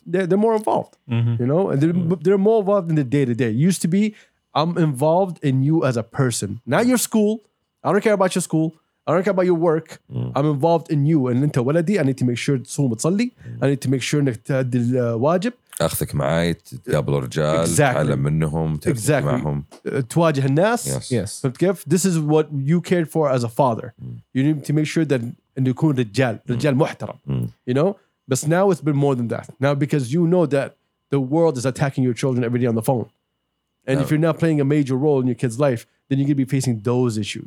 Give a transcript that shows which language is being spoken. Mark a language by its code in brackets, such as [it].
[en] They're more involved, mm-hmm. You know? And they're more involved in the day-to-day. It used to be, I'm involved in you as a person. Not your school. I don't care about your school. I don't care about your work. Mm. I'm involved in you. And into waladi, I need to make sure tsum tsalli. I need to make sure the wajib. [ar] أخذك معي تقابل رجال تعلم منهم تكلم معهم تواجه الناس. [en] Yes. [ar] فهمت كيف؟ [en] This is what you cared for as a father. You need to make sure that [ar] أنه يكون رجال محترم. [en] You know? But now it's been more than that. Now because you know that the world is attacking your children every day on the phone. And if you're not playing a major role in your kid's life, then you're going to be facing those issues.